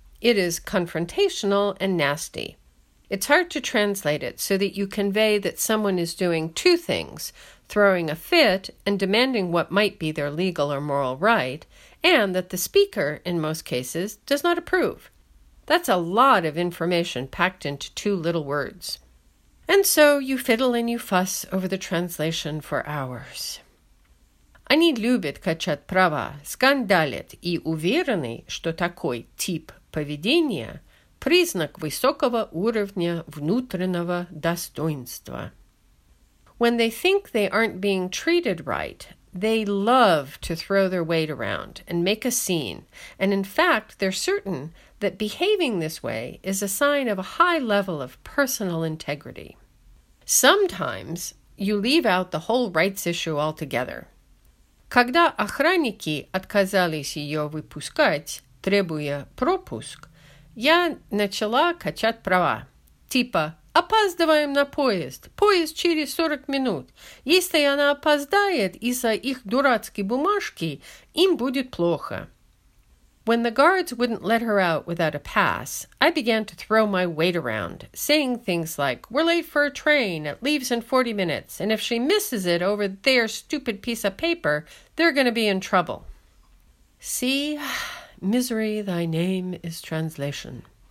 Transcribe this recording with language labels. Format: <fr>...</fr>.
<en>It is confrontational and nasty. It's hard to translate it so that you convey that someone is doing two things, throwing a fit and demanding what might be their legal or moral right, and that the speaker, in most cases, does not approve. That's a lot of information packed into two little words. And so you fiddle and you fuss over the translation for hours.</en> <ru>Они любят качать права, скандалят и уверены, что такой тип поведения – признак высокого уровня внутреннего достоинства.</ru> <en>When they think they aren't being treated right, they love to throw their weight around and make a scene, and in fact, they're certain that behaving this way is a sign of a high level of personal integrity. Sometimes you leave out the whole rights issue altogether.</en> <ru>Когда охранники отказались ее выпускать, требуя пропуск, я начала качать права. Типа, опаздываем на поезд, поезд через 40 минут. Если она опоздает из-за их дурацкой бумажки, им будет плохо.</ru> <en>When the guards wouldn't let her out without a pass, I began to throw my weight around, saying things like, "We're late for a train, it leaves in 40 minutes, and if she misses it over their stupid piece of paper, they're going to be in trouble." See, misery, thy name is translation.</en>